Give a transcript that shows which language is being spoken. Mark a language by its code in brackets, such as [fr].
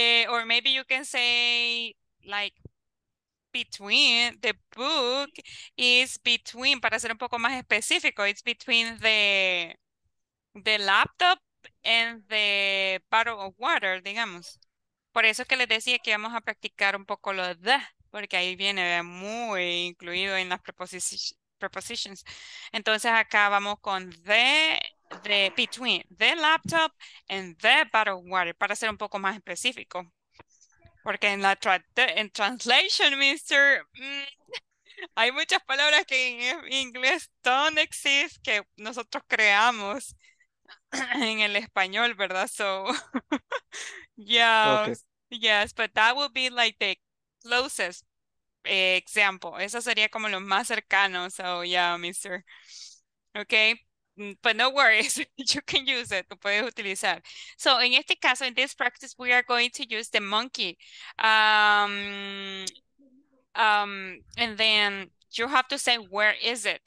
[en] Or maybe you can say, like, between, the book is between, [es] para ser un poco más específico, [en] it's between the laptop and the bottle of water, digamos. [es] Por eso que les decía que íbamos a practicar un poco lo de, porque ahí viene muy incluido en las prepositions. Entonces acá vamos con [en] the between the laptop and the bottle of water, [es] para ser un poco más específico. Porque en la en translation, mister, hay muchas palabras que en inglés [en] don't exist [es] que nosotros creamos en el español, ¿verdad? [en] So, yes, but that would be like the closest example. [es] Eso sería como lo más cercano, [en] so yeah, [es] mister. [en] Okay, but no worries, you can use it, [es] lo puedes utilizar. [en] So in [es] este caso, [en] in this practice, we are going to use the monkey. And then you have to say, where is it?